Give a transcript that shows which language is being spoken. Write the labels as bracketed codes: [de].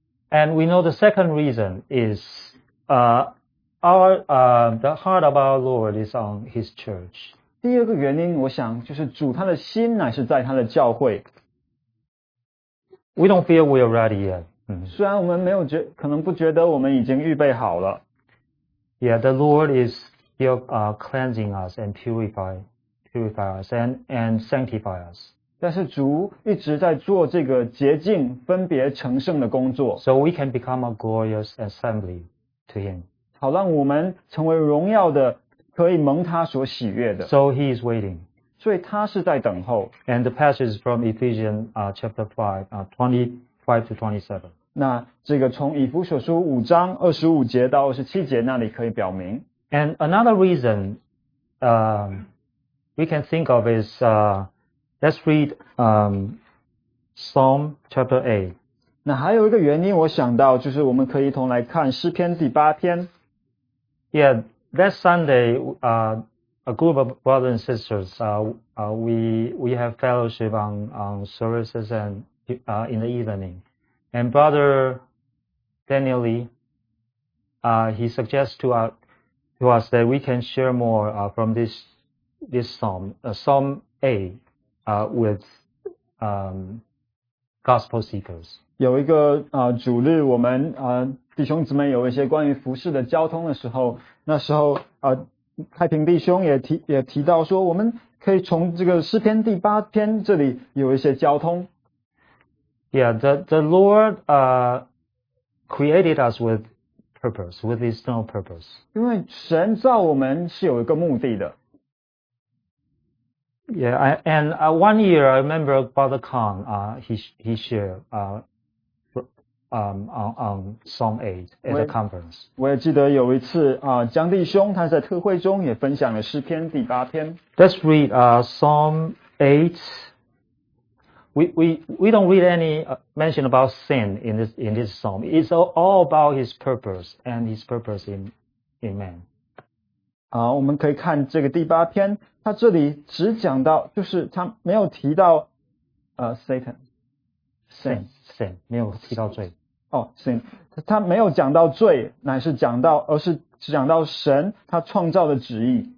[en] And we know the second reason is the heart of our Lord is on His church. [zh] 第二个原因，我想就是主他的心乃是在他的教会。 [en] We don't feel we are ready yet. [zh] 虽然我们没有觉，可能不觉得我们已经预备好了。 [en] Yeah, the Lord is still cleansing us and purify us and sanctify us. [zh] 但是主一直在做这个洁净、分别、成圣的工作。 [en] So we can become a glorious assembly to Him. [zh] 好让我们成为荣耀的，可以蒙他所喜悦的。 [en] So He is waiting. [zh] 所以他是在等候。 [en] And the passage is from Ephesians chapter 5, 25 to 27. [zh] 那这个从以弗所书五章二十五节到二十七节那里可以表明。 [en] And another reason we can think of is, let's read Psalm chapter 8. [zh] 那还有一个原因我想到就是我们可以一同来看诗篇第八篇。 [en] Yeah, that Sunday, A group of brothers and sisters, we have fellowship on services and, in the evening. And Brother Daniel Lee, he suggests to us that we can share more, from this Psalm, Psalm A, with, gospel seekers. [zh] 有一个主日我们弟兄姊妹有一些关于服事的交通的时候，那时候太平弟兄也提到说，我们可以从这个诗篇第八篇这里有一些交通。 [en] Yeah, the Lord created us with purpose, with eternal purpose. [zh] 因为神造我们是有一个目的的。 [en] Yeah, and one year I remember Brother Khan, he shared on Psalm 8 at the conference. [zh] 我也记得有一次江弟兄他在特会中也分享了诗篇第八篇。 [en] Let's read Psalm 8. We don't read any mention about sin in this Psalm. It's all about His purpose and His purpose in man. [zh] 我们可以看这个第八篇，他这里只讲到，就是他没有提到Satan. Sin. Sin, 没有提到罪。哦、sin, 他没有讲到罪，乃是讲到，而是讲到神他创造的旨意。